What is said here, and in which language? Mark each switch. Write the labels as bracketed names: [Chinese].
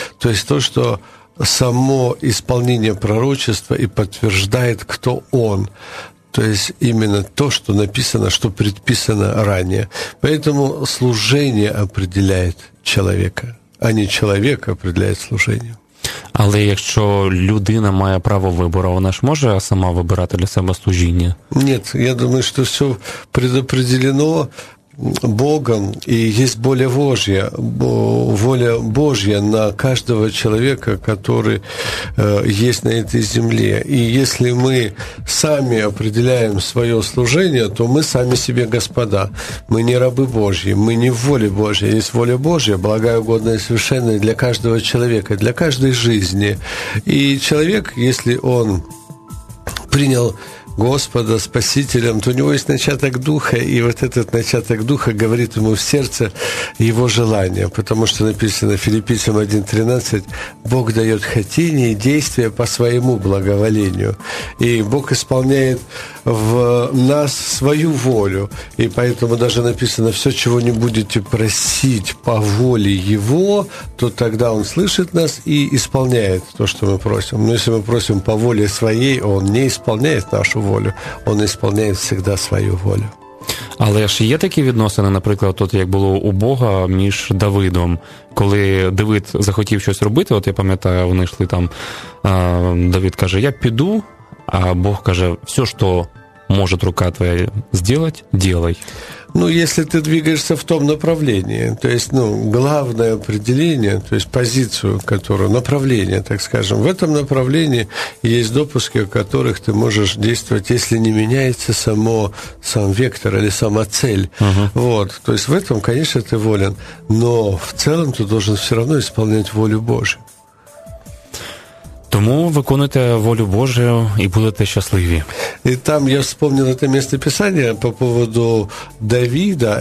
[Russian] То есть то, что само исполнение пророчества и подтверждает, кто он. То есть именно то, что написано, что предписано ранее. Поэтому служение определяет человека, а не человек определяет служение. [Ukrainian] Але якщо людина має право вибору, вона ж може сама вибирати для себе служіння? Ні, я думаю, що все предопределено, [Russian] Богом, и есть воля Божья, воля Божья на каждого человека, который есть на этой земле. И если мы сами определяем свое служение, то мы сами себе господа. Мы не рабы Божьи, мы не в воле Божьей. Есть воля Божья, благая, угодная, совершенная для каждого человека, для каждой жизни. И человек, если он принял Господа, Спасителем, то у него есть начаток Духа, и вот этот начаток Духа говорит ему в сердце его желание, потому что написано Филиппийцам 1:13, Бог дает хотение и действие по своему благоволению, и Бог исполняет в нас свою волю, и поэтому даже написано, все, чего не будете просить по воле Его, то тогда Он слышит нас и исполняет то, что мы просим. Но если мы просим по воле своей, Он не исполняет нашу волю, Он исполняет всегда свою волю. [Ukrainian] Але ж є такі відносини, наприклад, от як було у Бога між Давидом, коли Давид захотів щось робити, от я пам'ятаю, вони йшли там, Давид каже, я піду, а Бог каже, все, що може рука твоя зробити, делай. [Russian] Ну, если ты двигаешься в том направлении, то есть, ну, главное определение, то есть позицию, которую, направление, так скажем, в этом направлении есть допуски, в которых ты можешь действовать, если не меняется сам вектор или сама цель. Uh-huh. Вот, то есть в этом, конечно, ты волен, но в целом ты должен все равно исполнять волю Божию. [Ukrainian] Тому виконуйте волю Божию і будете щасливі. І там я [Russian] вспомнил это место писания по поводу Давида.